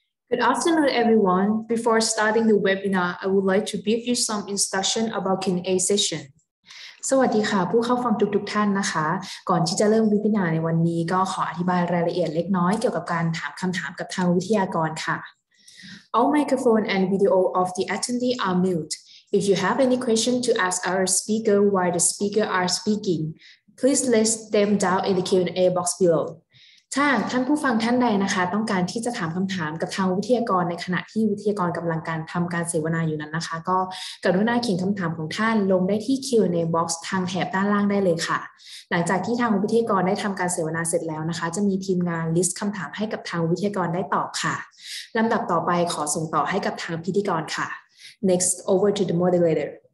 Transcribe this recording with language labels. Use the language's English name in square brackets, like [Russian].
[English] Good afternoon, everyone. Before starting the webinar, I would like to give you some instruction about Q&A session. [Thai] สวัสดีค่ะผู้เข้าฟังทุกๆท่านนะคะก่อนที่จะเริ่มเวบินาร์ในวันนี้ก็ขออธิบายรายละเอียดเล็กน้อยเกี่ยวกับการถามคำถามกับทางวิทยากรค่ะ [English] All microphone and video of the attendee are mute. If you have any question to ask our speaker while the speaker are speaking, please list them down in the Q&A box below. [Thai] ถ้าท่านผู้ฟังท่านใดนะคะต้องการที่จะถามคำถามกับทางวิทยากรในขณะที่วิทยากรกำลังการทำการเสวนาอยู่นั้นนะคะก็กรุณาเขียนคำถามของท่านลงได้ที่ Q&A box ทางแถบด้านล่างได้เลยค่ะหลังจากที่ทางวิทยากรได้ทำการเสวนาเสร็จแล้วนะคะจะมีทีมงานลิสต์คำถามให้กับทางวิทยากรได้ตอบค่ะลำดับต่อไปขอส่งต่อให้กับทางพิธีกรค่ะ [English] Next over to the moderator.